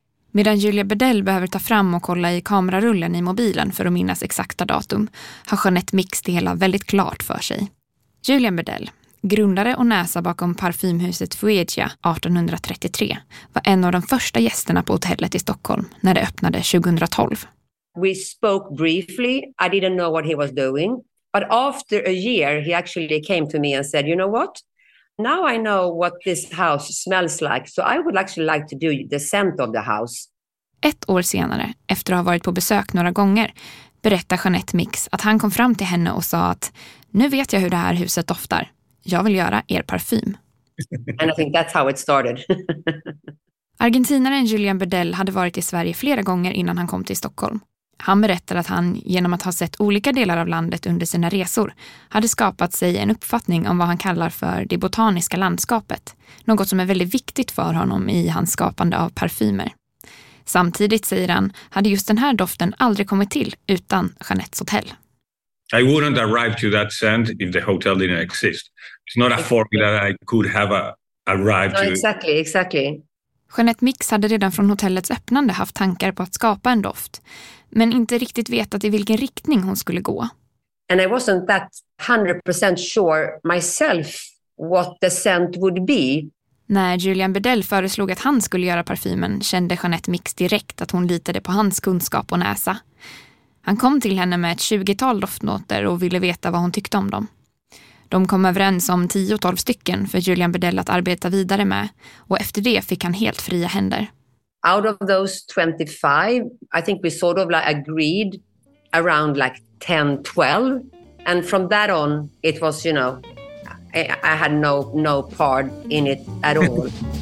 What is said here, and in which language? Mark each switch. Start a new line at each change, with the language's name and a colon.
Swedish: Medan Julia Bedell behöver ta fram och kolla i kamerarullen i mobilen för att minnas exakta datum har Jeanette Mix det hela väldigt klart för sig. Julian Bedell, grundare och näsa bakom parfymhuset Fuegia 1833, var en av de första gästerna på hotellet i Stockholm när det öppnade 2012.
English: We spoke briefly. I didn't know what he was doing. But after a year, he actually came to me and said, you know what? Now I know what this house smells like. So I would actually like to do the scent of the house.
Swedish: Ett år senare, efter att ha varit på besök några gånger, berättar Jeanette Mix att han kom fram till henne och sa att nu vet jag hur det här huset doftar. Jag vill göra er parfym.
English: And I think that's how it started.
Swedish: Argentinaren Julian Bedell hade varit i Sverige flera gånger innan han kom till Stockholm. Han berättar att han, genom att ha sett olika delar av landet under sina resor, hade skapat sig en uppfattning om vad han kallar för det botaniska landskapet. Något som är väldigt viktigt för honom i hans skapande av parfymer. Samtidigt, säger han, hade just den här doften aldrig kommit till utan Jeanettes hotell.
English: I wouldn't arrive to that scent if the hotel didn't exist. It's not a formula that I could have arrived to. No, exactly, exactly.
Swedish: Jeanette Mix hade redan från hotellets öppnande haft tankar på att skapa en doft, men inte riktigt vetat i vilken riktning hon skulle gå.
English: And I wasn't that 100% sure myself what the scent would be.
Swedish: När Julian Bedell föreslog att han skulle göra parfymen kände Jeanette Mix direkt att hon litade på hans kunskap och näsa. Han kom till henne med ett 20-tal doftnoter och ville veta vad hon tyckte om dem. De kom överens om 10-12 stycken för Julian Bedell att arbeta vidare med, och efter det fick han helt fria händer.
English: Out of those 25, I think we sort of like agreed around like 10-12, and from that on it was, you know, I had no part in it at all.